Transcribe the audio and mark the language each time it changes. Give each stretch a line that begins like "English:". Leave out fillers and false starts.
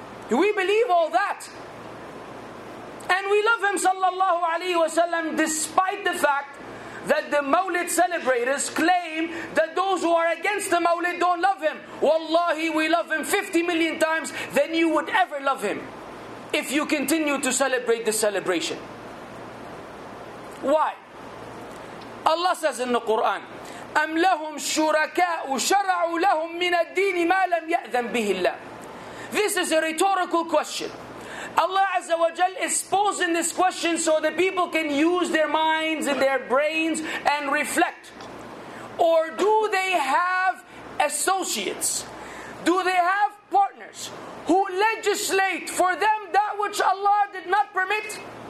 English: We believe all that. And we love him, sallallahu alayhi wasallam, despite the fact that the Mawlid celebrators claim that those who are against the Mawlid don't love him. Wallahi, we love him 50 million times than you would ever love him if you continue to celebrate the celebration. Why?
Arabic: Allah says in the Quran, أَمْ لَهُمْ شُرَكَاءُ شَرَعُوا لَهُمْ مِنَ الدِّينِ مَا لَمْ يَأْذَنْ بِهِ اللَّهِ.
English: This is a rhetorical question. Allah Azza wa Jal is posing this question so the people can use their minds and their brains and reflect. Or do they have associates? Do they have partners who legislate for them that which Allah did not permit?